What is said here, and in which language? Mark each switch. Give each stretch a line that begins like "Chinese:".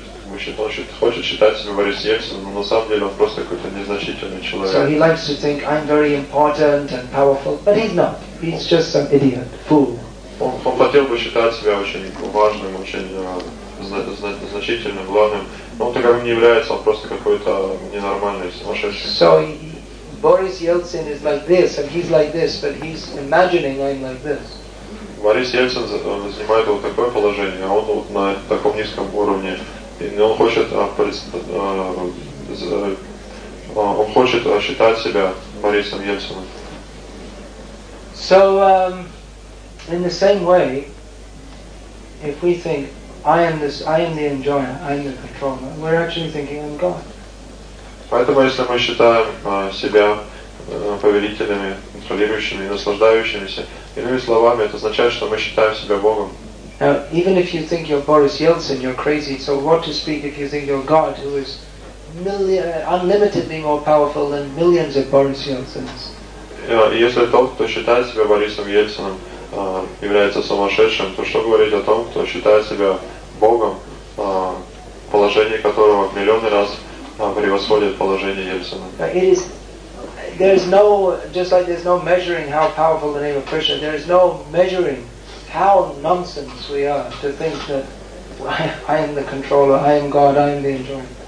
Russian: Он хочет считать себя Борис Ельцин, но на самом деле он просто какой-то незначительный человек.
English: So he likes to think I'm very important and powerful, but he's not. He's just some idiot, fool.
Russian: Он хотел бы считать себя очень важным, очень значительным, главным, но он таковым не является, он просто какой-то ненормальный, сумасшедший.
English: So he, Boris Yeltsin is like this, and he's like this, but he's imagining I'm like this.
Russian: Борис Ельцин занимает вот такое положение, а он вот на таком низком уровне, и он хочет, он хочет считать себя Борисом Ельциным.
English: So, in the same way, if we think I am this, I am the enjoyer, I am the controller, we're actually thinking I'm God.
Russian: Поэтому, если мы считаем себя повелителями, контролирующими, наслаждающимися, иными словами, это означает, что мы считаем себя Богом.
English: Now, even if you think you're Boris Yeltsin, you're crazy. So what to speak if you think you're God, who is unlimitedly more powerful than millions of Boris Yeltsins?
Russian: Если тот, кто считает себя Борисом Ельциным, является сумасшедшим, то что говорить о том, кто считает себя Богом, положение которого в миллионы раз превосходит положение Ельцина?
English: There is no, just like there is no measuring how powerful the name of Krishna, there is no measuring how nonsense we are to think that I am the controller, I am God, I am the enjoyer.